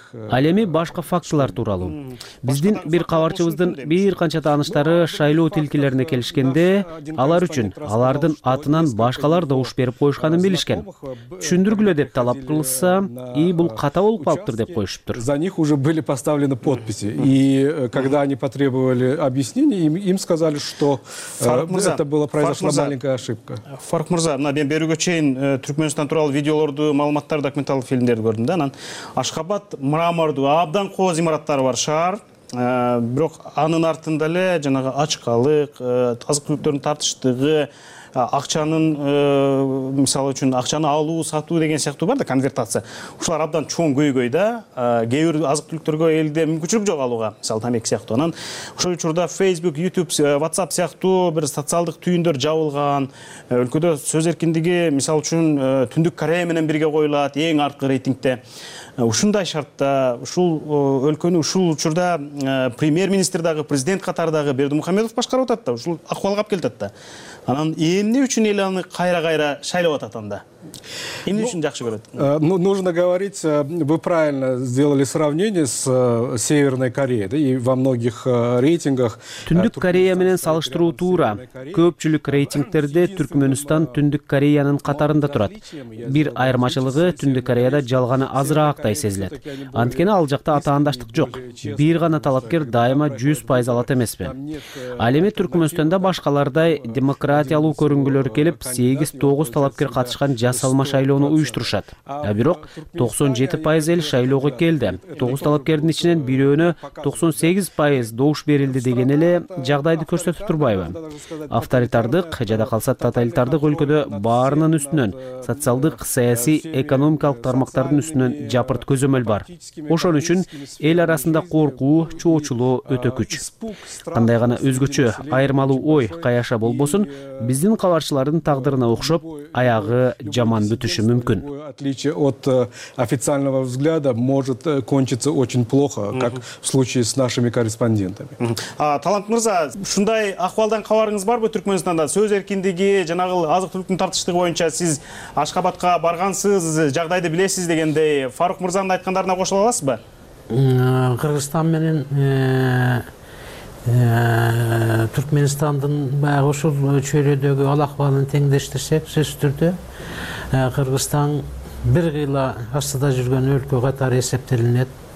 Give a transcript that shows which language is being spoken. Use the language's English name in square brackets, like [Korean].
[Kyrgyz] Ал эми башка фактылар тууралуу. Биздин бир кабарчыбыздын бир канча тааныштары шайлоо тилкелерине келишкенде, алар үчүн алардын атынан башкалар добуш берип коюшканын билишкен. Түшүндүргүлө деп талап кылса, и бул ката болуп калыптыр деп коюшуптур. [Russian] За них уже были поставлены подписи, и когда они потребовали объяснений, им сказали, что это было произошла маленькая ошибка. [Kyrgyz] Фарук Мырза, мына мен берүүгө чейин Түркмөнстан тууралуу видеолорду, маалыматтарды, документалдык фильмдерди көрдүм да, анан Ашхабад мрамордуу абдан кооз имараттары бар шаар. Бирок анын артында эле жанагы ачкалык, азык түлүктөрдүн тартыштыгы, акчанын мисалы үчүн акчаны алуу сатуу деген сыяктуу бар да, конвертация. Ушулар абдан чоң көйгөй да, кээ бир азык түлүктөргө элде мүмкүнчүлүк жок алууга, мисалы тамеки сыяктуу. Анан ошол учурда Facebook, YouTube, WhatsApp сыяктуу бир социалдык түйүндөр жабылган, өлкөдө сөз эркиндиги мисалы үчүн Түндүк Корея менен бирге коюлат эң арткы рейтингде. Ушундай шартта ушул өлкөнү ушул учурда премьер-министр дагы, президент катары дагы Бердимухамедов башкарып атат да, ушул акыбалга алып келип атат да. Анан эмне үчүн эл аны кайра-кайра шайлап атат анда? Эмне үчүн жакшы көрөт? [Russian] Нужно говорить, вы правильно сделали сравнение с Северной Кореей, да, и во многих рейтингах. [Kyrgyz] Түндүк Корея менен салыштыруу туура. Көпчүлүк рейтингтерде Түркмөнстан Түндүк Кореянын катарында турат. Бир айырмачылыгы Түндүк Кореяда жалганы азыраактай сезилет. Анткени ал жакта атаандаштык жок. Бир гана талапкер дайыма 100% алат эмеспи? Ал эми Түркмөнстанда башкалардай демократиялуу көрүнгүлөр келип, 8-9 талапкер катышкан жасалма шайлоону уюштурушат. Бирок 97% эл шайлоого келди. 9 талапкердин ичинен бирөөнө 98% добуш берилди деген эле жагдайды көрсөтүп турбайбы? Авторитардык жада калса тоталитардык өлкөдө баарынын үстүнөн социалдык, саясий, экономикалык тармактардын үстүнөн жапырт көзөмөл бар. Ошон үчүн эл арасында коркуу, чоочулоо өтө күч. Кандай гана өзгөчө, айырмалуу ой каяша болбосун, биздин кабарчылардын тагдырына окшоп аягы жаман бүтүшү мүмкүн. [Russian] Отличие от официального взгляда может кончиться очень плохо, как в случае с нашими корреспондентами. [Kyrgyz] Талант Мырза, ушундай акыбалдан кабарыңыз барбы Түркмөнстанда? Сөз эркиндиги, жанагыл азык түлүктүн тартыштыгы боюнча сиз Ашхабадка баргансыз, жагдайды билесиз дегендей, Фарук Мырзанын айткандарына кошула аласызбы? Кыргызстан менен Түркмөнстандын баягы ушул чөйрөдөгү ал акыбалын теңдештирсек, сөзсүз түрдө Кыргызстан бир кыйла астыда жүргөн өлкө катары эсептелинет.